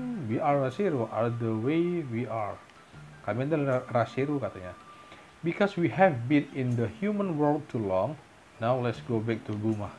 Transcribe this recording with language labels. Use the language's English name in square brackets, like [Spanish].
[English] We are a Zero, are the way we are. [Indonesian] Kami adalah ras Zero katanya. [English] Because we have been in the human world too long, now let's go back to Bulma.